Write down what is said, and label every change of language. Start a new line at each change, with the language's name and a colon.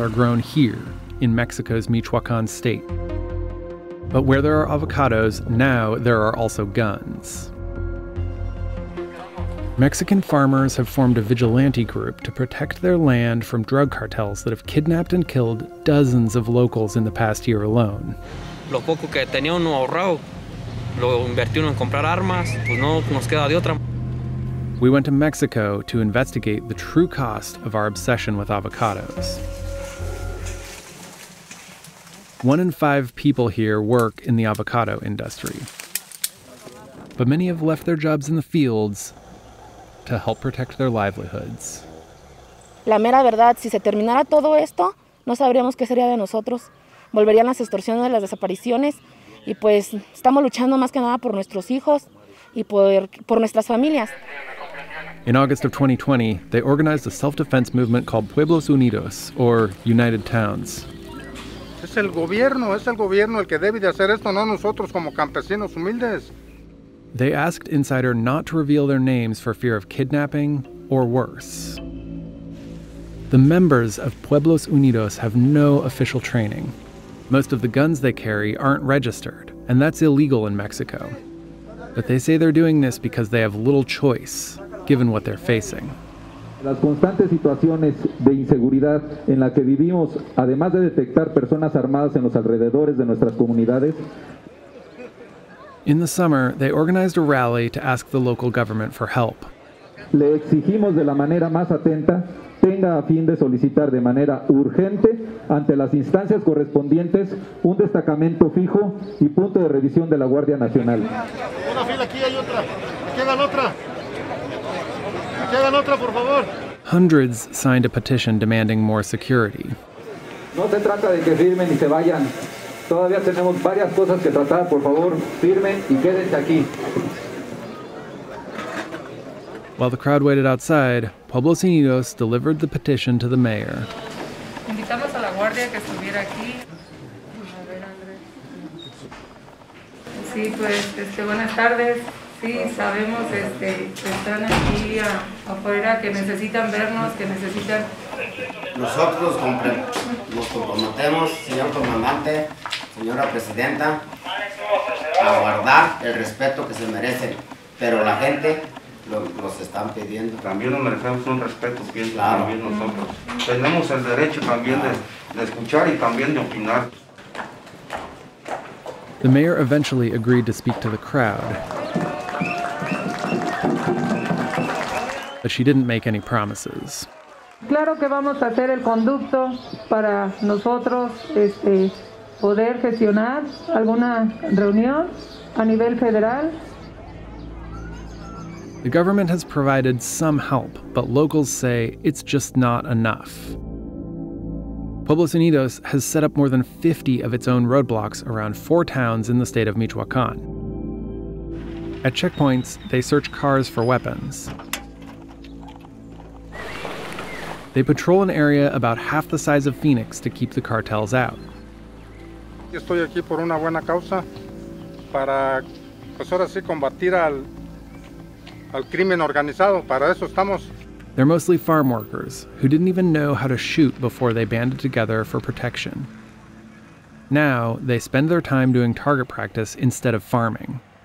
English: are grown here in Mexico's Michoacán State. But where there are avocados, now there are also guns. Mexican farmers have formed a vigilante group to protect their land from drug cartels that have kidnapped and killed dozens of locals in the past year alone.
Spanish: Lo poco que tenía uno ahorrado, lo invirtieron en comprar armas, pues no nos queda de otra.
English: We went to Mexico to investigate the true cost of our obsession with avocados. One in five people here work in the avocado industry. But many have left their jobs in the fields to help protect their livelihoods.
Spanish: La mera verdad, si se terminara todo esto, no sabríamos qué sería de nosotros. Volverían las extorsiones, las desapariciones. Y pues estamos luchando más que nada por nuestros hijos y por nuestras familias.
English: In August of 2020, they organized a self-defense movement called Pueblos Unidos, or United Towns. They asked Insider not to reveal their names for fear of kidnapping or worse. The members of Pueblos Unidos have no official training. Most of the guns they carry aren't registered, and that's illegal in Mexico. But they say they're doing this because they have little choice, given what they're facing.
Spanish: Las constantes situaciones de inseguridad en la que vivimos, además de detectar personas armadas en los alrededores de nuestras comunidades.
English: In the summer, they organized a rally to ask the local government for help.
Spanish: Le exigimos de la manera más atenta tenga a fin de solicitar de manera urgente ante las instancias correspondientes un destacamento fijo y punto de revisión de la Guardia Nacional. Una fila aquí, hay otra. Quedan otra. Quedan otra, por favor.
English: Hundreds signed a petition demanding more security.
Spanish: No se trata de que firmen y se vayan. Todavía tenemos varias cosas que tratar, por favor, firmen y quédense aquí.
English: While the crowd waited outside, Pablo Cienigos delivered the petition to the mayor.
Spanish: Invitamos a la guardia que estuviera aquí. A ver, Andrés. Sí, pues, buenas tardes. Sí, sabemos que están aquí afuera, que necesitan vernos, que necesitan... Nosotros nos comprometemos, señor comandante, señora presidenta, a guardar el respeto que se merecen, pero la gente... Los están pidiendo. También nos merecemos un respeto, pienso, claro. También nosotros. Mm-hmm. Tenemos el derecho también de escuchar y también de opinar.
English: The mayor eventually agreed to speak to the crowd. But she didn't make any promises.
Spanish: Claro que vamos a hacer el conducto para nosotros poder gestionar alguna reunión a nivel federal.
English: The government has provided some help, but locals say it's just not enough. Pueblos Unidos has set up more than 50 of its own roadblocks around four towns in the state of Michoacán. At checkpoints, they search cars for weapons. They patrol an area about half the size of Phoenix to keep the cartels out.
Spanish: Estoy aquí por una buena causa, para pues ahora sí combatir al crimen organizado, para eso estamos.
English: They're mostly farm workers who didn't even know how to shoot before they banded together for protection. Now, they spend their time doing target practice instead of farming.